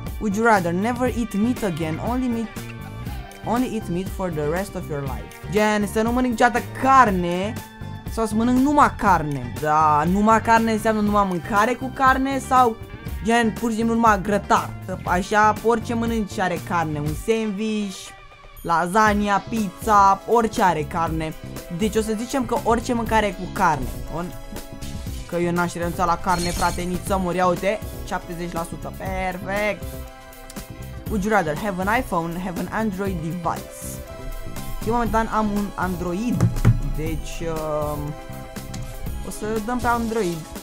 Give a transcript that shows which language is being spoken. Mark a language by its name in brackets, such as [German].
[English] Would you rather never eat meat again, only eat meat for the rest of your life. [Romanian] Gen, să nu mănânc niciodată carne, sau să mănânc numai carne. Da, numai carne înseamnă numai mâncare cu carne, sau gen, pur și simplu numai grătar. Așa, orice mănânci are carne, un sandwich, lasagna, pizza, orice are carne. Deci o să zicem că orice mâncare cu carne. Că eu n-aș renunța la carne, frate, nici să mor. Ia uite, 70%, perfect. [English] Would you rather have an iPhone, have an Android device? [Romanian] Eu momentan am un Android, deci o să dăm pe Android.